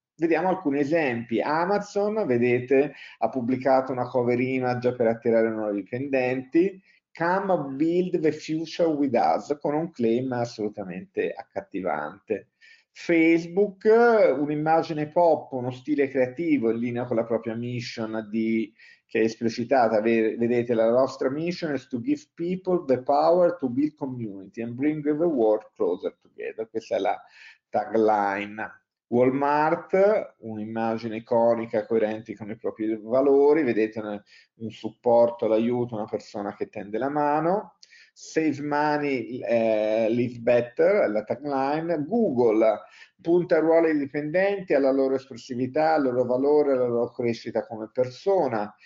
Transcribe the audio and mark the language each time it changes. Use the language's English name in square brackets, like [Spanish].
[Italian] Vediamo alcuni esempi. Amazon, vedete, ha pubblicato una cover image per attirare nuovi dipendenti. [English] Come build the future with us, [Italian] con un claim assolutamente accattivante. Facebook, un'immagine pop, uno stile creativo in linea con la propria mission che è esplicitata. Vedete, la nostra mission [English] is to give people the power to build community and bring the world closer together. [Italian] Questa è la tagline. Walmart, un'immagine iconica coerente con i propri valori, vedete un supporto, l'aiuto, una persona che tende la mano. [English] Save money, live better, [Italian] la tagline. Google punta a ruoli dipendenti, alla loro espressività, al loro valore, alla loro crescita come persona.